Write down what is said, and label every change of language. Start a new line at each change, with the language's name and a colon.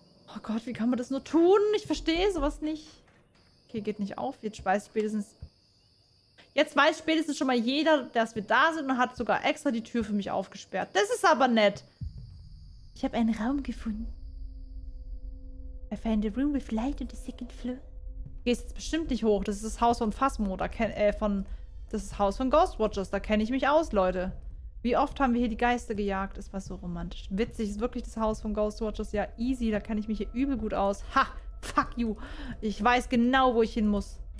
German: Oh Gott, wie kann man das nur tun? Ich verstehe sowas nicht. Okay, geht nicht auf. Jetzt weiß spätestens... Jetzt weiß spätestens schon mal jeder, dass wir da sind und hat sogar extra die Tür für mich aufgesperrt. Das ist aber nett. Ich habe einen Raum gefunden.
English: I find a room with light on the second floor.
German: Gehst jetzt bestimmt nicht hoch. Das ist das Haus von Phasmo. Das ist das Haus von Ghostwatchers. Da kenne ich mich aus, Leute. Wie oft haben wir hier die Geister gejagt? Es war so romantisch. Witzig, ist wirklich das Haus von Ghostwatchers. Ja, easy, da kenne ich mich hier übel gut aus.
English: Ha, fuck you.
German: Ich weiß genau, wo ich hin muss.